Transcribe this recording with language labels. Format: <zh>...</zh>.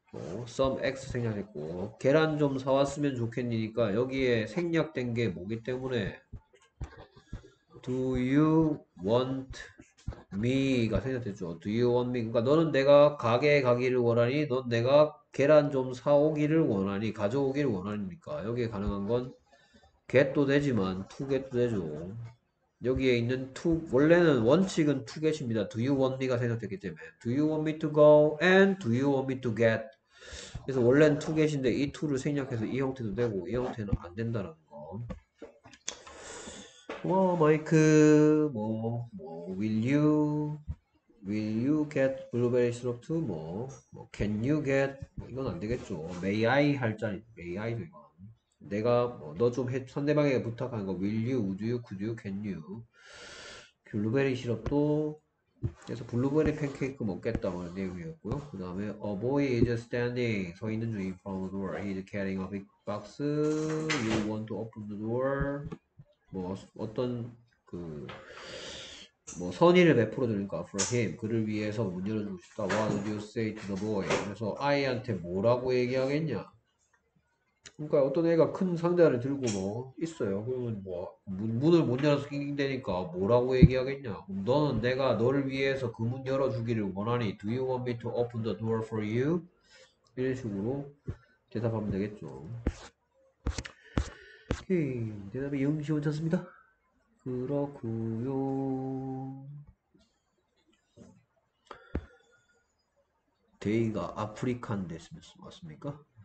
<ko>뭐, some x 생략했고 계란 좀 사왔으면 좋겠니니까 여기에 생략된 게 뭐기 때문에 Do you want me가 생각됐죠.</ko> <en>Do you want me?</en> <ko>그러니까 너는 내가 가게에 가기를 원하니, 넌 내가 계란 좀 사오기를 원하니, 가져오기를 원하니까 여기에 가능한 건 get도 되지만 to get도 되죠. 여기에 있는 to 원래는 원칙은 to get입니다.</ko> <en>Do you want me</en> <ko>가 생각됐기 때문에</ko> <en>Do you want me to go and Do you want me to get?</en> <ko>그래서 원래는 to get인데 이 to를 생략해서 이 형태도 되고 이 형태는 안 된다는 거. 와 마이크 뭐뭐</ko> <en>will you get blueberry syrup too 뭐뭐 can you get</en> <ko>이건 안 되겠죠</ko> <en>may I</en> <ko>할 자리</ko> <en>may I</en> <ko>이건 내가 뭐, 너좀 상대방에게 부탁하는 거</ko> <en>will you would you could you can you blueberry syrup도</en> <ko>그래서 블루베리 팬케이크 먹겠다 말 내용이었고요. 그 다음에</ko> <en>A boy is standing,</en> <ko>서 있는 중인</ko> <en>from the door. He's carrying a big box. You want to open the door?</en> <ko>뭐 어떤 그뭐 선의를 베풀어 드릴까?</ko> <en>For him,</en> <ko>그를 위해서 문 열어주고 싶다.</ko> <en>What do you say to the boy?</en> <ko>그래서 아이한테 뭐라고 얘기하겠냐? 그러니까 어떤 애가 큰 상자를 들고 뭐 있어요. 그러면 뭐 문을 못 열어서 낑낑대니까 뭐라고 얘기하겠냐? 너는 내가 너를 위해서 그문 열어주기를 원하니?</ko> <en>Do you want me to open the door for you?</en> <ko>이런 식으로 대답하면 되겠죠. 오케이, 대답이 영시 못했습니다. 그렇구요. 데이가 아프리칸데스 맞습니까?</ko>